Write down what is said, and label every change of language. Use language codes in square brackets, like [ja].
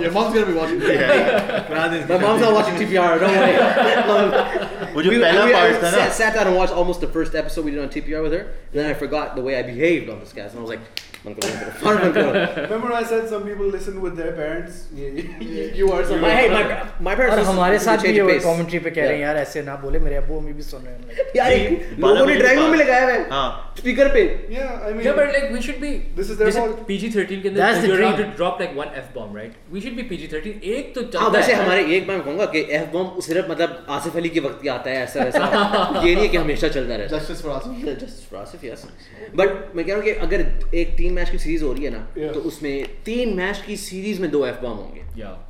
[en] Your mom's gonna be watching. My mom's not watching TPR. Don't worry. We sat down and watched almost the first episode we did on TPR with her, and then I forgot the way I behaved on this cast, and I was like, Remember I said some people listen with their parents. You are some. Hey, my parents. [hi] And हमारे साथ भी वो commentary पे कह रहे हैं यार ऐसे ना बोले मेरे अब्बू अम्मी भी सुन रहे हैं यार एक लोगों ने drive में लगाया है speaker पे. [en] Yeah, I mean. Yeah, but like we should be. This is their fault. PG-13 [hi] के अंदर [en] you're allowed to drop like one F bomb, right? We should be PG-13. [hi] एक तो चलता है. हाँ वैसे हमारे एक बार कहूँगा कि F bomb सिर्फ मतलब आसिफ अली के वक्त ही आता है ऐसा ऐसा. ये नहीं है कि हमेशा चलता रहता. [en] Justice for Asif, yes. [hi] But मैं कह रहा हूँ कि अगर एक टीम मैच की सीरीज हो रही है ना तो उसमें तीन मैच की सीरीज में दो एफ बॉम्ब होंगे